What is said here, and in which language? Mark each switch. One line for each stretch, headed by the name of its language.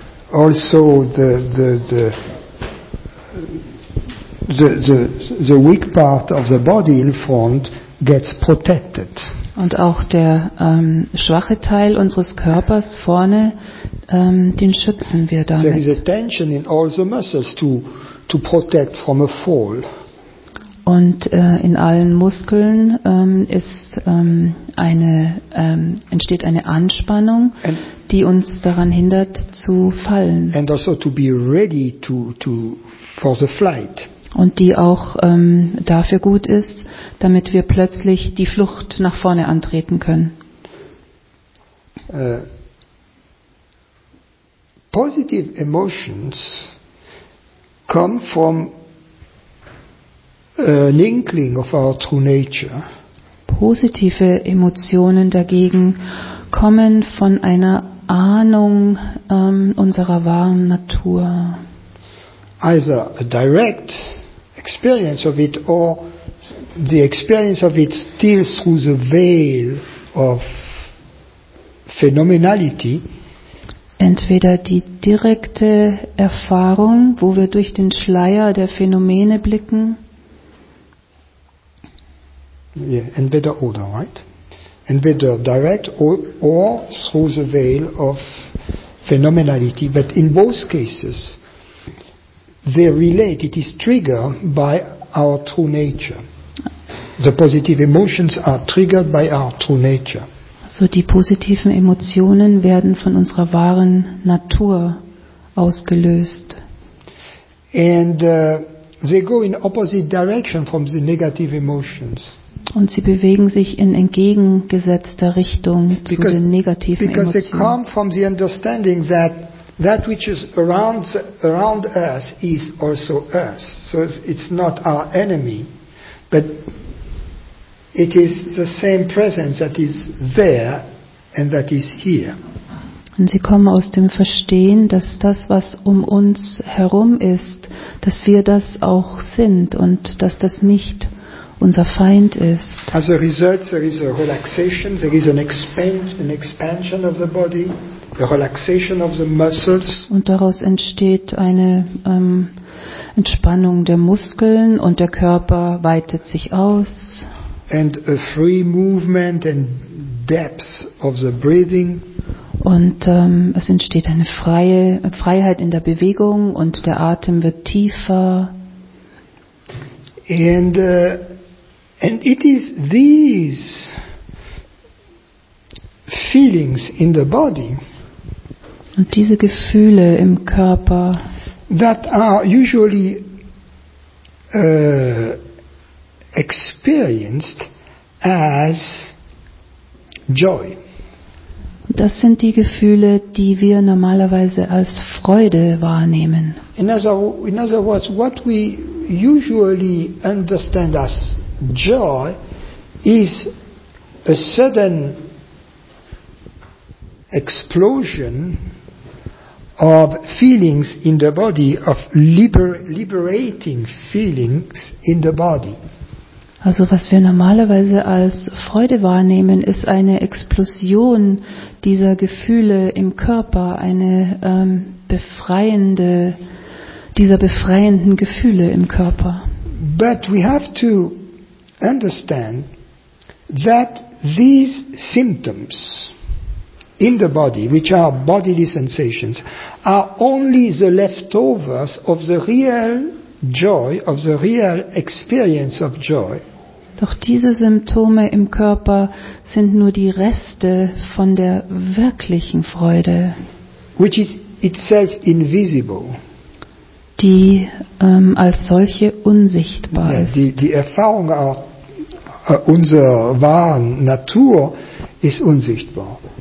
English: Also the weak part of the body in front gets protected.
German: Und auch der schwache Teil unseres Körpers vorne, den schützen wir damit.
English: There is a tension in all the muscles to protect from a fall.
German: Und in allen Muskeln entsteht eine Anspannung, die uns daran hindert zu fallen.
English: And also to be ready to for the flight.
German: Und die auch dafür gut ist, damit wir plötzlich die Flucht nach vorne antreten können.
English: Positive emotions come from an inkling of our true nature.
German: Positive Emotionen dagegen kommen von einer Ahnung unserer wahren Natur.
English: Either a direct experience of it, or the experience of it still through the veil of phenomenality.
German: Entweder die direkte Erfahrung, wo wir durch den Schleier der Phänomene blicken. Yeah, entweder oder, right?
English: Entweder direct or through the veil of phenomenality. But in both cases, they relate, it is triggered by our true nature. The positive emotions are triggered by our true nature.
German: So die positiven Emotionen werden von unserer wahren Natur ausgelöst.
English: And they go in opposite direction from the negative emotions.
German: Und sie bewegen sich in entgegengesetzter Richtung zu
English: because,
German: den negativen
English: because Because they come from the understanding that that which is around us is also us. So it's not our enemy, but it is the same presence that is there and that is here.
German: Und sie kommen aus dem Verstehen, dass das, was um uns herum ist, dass wir das auch sind und dass das nicht unser Feind ist.
English: As a result, there is a relaxation, there is an expansion of the body, a relaxation of the muscles.
German: Und daraus entsteht eine Entspannung der Muskeln und der Körper weitet sich aus.
English: And a free movement and depth of the breathing.
German: Und es entsteht eine Freiheit in der Bewegung und der Atem wird tiefer.
English: And it is these feelings in the body.
German: Und diese Gefühle im Körper.
English: That are usually experienced as joy.
German: Das sind die Gefühle, die wir normalerweise als Freude wahrnehmen.
English: In other words, what we usually understand as joy is a sudden explosion of feelings in the body, of liberating feelings in the body.
German: Also was wir normalerweise als Freude wahrnehmen, ist eine Explosion dieser Gefühle im Körper, eine befreienden Gefühle im Körper.
English: But we have to understand that these symptoms in the body, which are bodily sensations, are only the leftovers of the real joy, of the real experience of joy.
German: Doch diese Symptome im Körper sind nur die Reste von der wirklichen Freude,
English: which is itself invisible.
German: Die als solche unsichtbar ist. Die Erfahrung auch unsere wahre Natur ist unsichtbar.